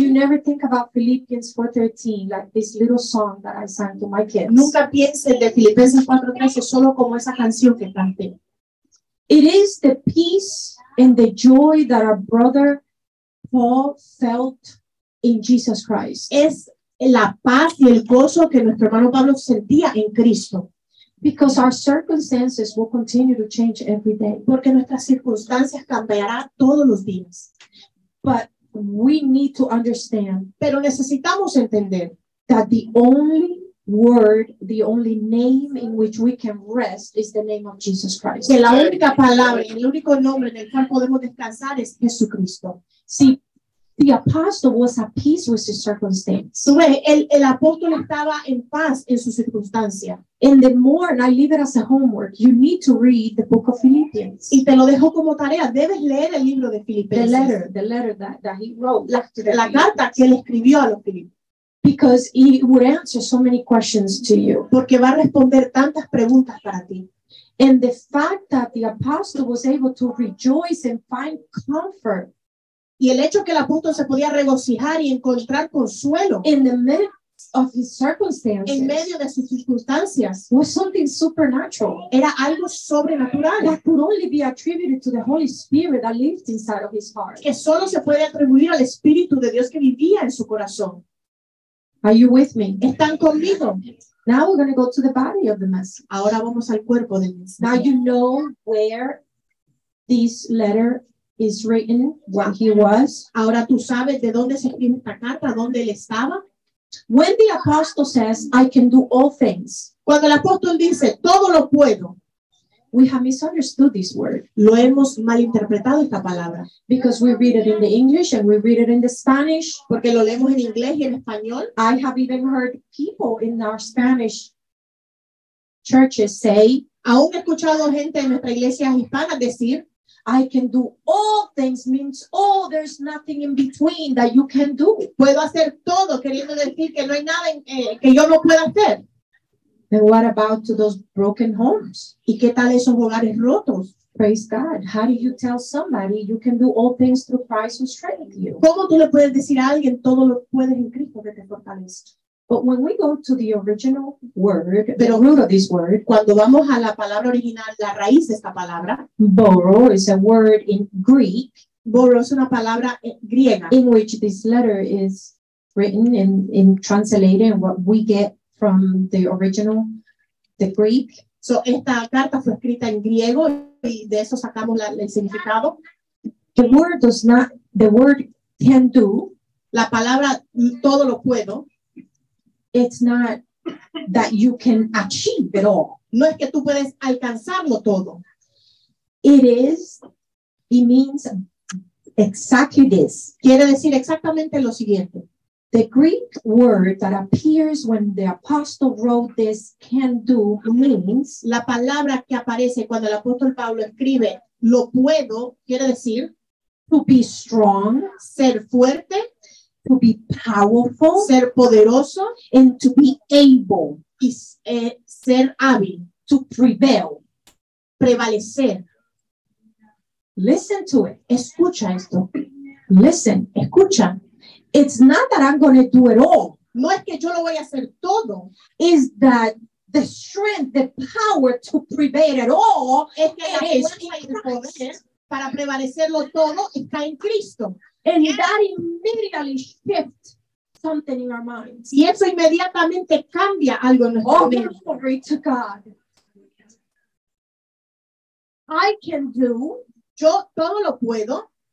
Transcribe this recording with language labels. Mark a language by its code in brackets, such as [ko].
[en] you never think about Philippians 4:13 like this little song that I sang to my kids. [es] Nunca pienses de Filipenses 4:13 solo como esa canción que canté. [en] It is the peace and the joy that our brother Paul felt in Jesus Christ. [es] Es la paz y el gozo que nuestro hermano Pablo sentía en Cristo. [en] Because our circumstances will continue to change every day. [es] Porque nuestras circunstancias cambiarán todos los días. [en] But we need to understand. [es] Pero necesitamos entender. [en] That the only word, the only name in which we can rest is the name of Jesus Christ. [es] Que la única palabra, el único nombre en el cual podemos descansar es Jesucristo. [en] See, the apostle was at peace with his circumstance. [es] El apóstol estaba en paz en su circunstancia. [en] And the more, and I leave it as a homework, you need to read the book of Philippians. [es] Y te lo dejo como tarea, debes leer el libro de Filipenses. [en] The letter that he wrote. [es] La carta que él escribió a los Filipenses. [en] Because it would answer so many questions to you. [es] Porque va a responder tantas preguntas para ti. [en] And the fact that the apostle was able to rejoice and find comfort. [es] Y el hecho que el apóstol se podía regocijar y encontrar consuelo [en] in the midst of his circumstances, [es] en medio de sus circunstancias, [en] was something supernatural. [es] Era algo sobrenatural. [en] That could only be attributed to the Holy Spirit that lived inside of his heart. [es] Que solo se puede atribuir al Espíritu de Dios que vivía en su corazón. [en] Are you with me? [es] ¿Están conmigo? [en] Now we're going to go to the body of the message. [es] Ahora vamos al cuerpo del mensaje. [en] Now you know where this letter is written, what he was. [es] Ahora tú sabes de dónde se escribe esta carta, dónde él estaba. [en] When the apostle says, I can do all things. [es] Cuando el apóstol dice, todo lo puedo. [en] We have misunderstood this word. [es] Lo hemos malinterpretado esta palabra. [en] Because we read it in the English and we read it in the Spanish. [es] Porque lo leemos en inglés y en español. [en] I have even heard people in our Spanish churches say, [es] aún he escuchado gente en nuestras iglesias hispanas decir, [en] I can do all things means all, there's nothing in between that you can do. [es] Puedo hacer todo, queriendo decir que no hay nada en, que yo no pueda hacer. [en] Then what about to those broken homes? [es] ¿Y qué tal esos hogares rotos? [en] Praise God. How do you tell somebody you can do all things through Christ who strengthens you? [es] ¿Cómo tú le puedes decir a alguien todo lo puedes en Cristo que te fortalece? [en] But when we go to the original word, [es] pero [en] root of this word, [es] cuando vamos a la palabra original, la raíz de esta palabra, [en] boro is a word in Greek. [es] Boro es una palabra griega. [en] In which this letter is written and in translated and what we get from the original, the Greek. [es] So esta carta fue escrita en griego y de eso sacamos la, el significado. [en] The word does not, the word can do, [es] la palabra todo lo puedo, [en] it's not that you can achieve it all. [es] No es que tú puedes alcanzarlo todo. [en] It is, it means exactly this. [es] Quiere decir exactamente lo siguiente. [en] The Greek word that appears when the apostle wrote this can do means, [es] la palabra que aparece cuando el apóstol Pablo escribe lo puedo, quiere decir [en] to be strong, [es] ser fuerte, [en] to be powerful, [es] ser poderoso, [en] and to be able, [es] y ser hábil, [en] to prevail, [es] prevalecer. [en] Listen to it. [es] Escucha esto. [en] Listen, [es] escucha. [en] It's not that I'm going to do it all. [es] No es que yo lo voy a hacer todo. [en] Is that the strength, the power to prevail at all, [es] es que la es para prevalecerlo todo está en Cristo. [en] And yeah, that immediately shifts something in our minds. [es] Y eso inmediatamente cambia algo en nuestro [en] mente. All glory to God. I can do, [es] yo todo lo puedo.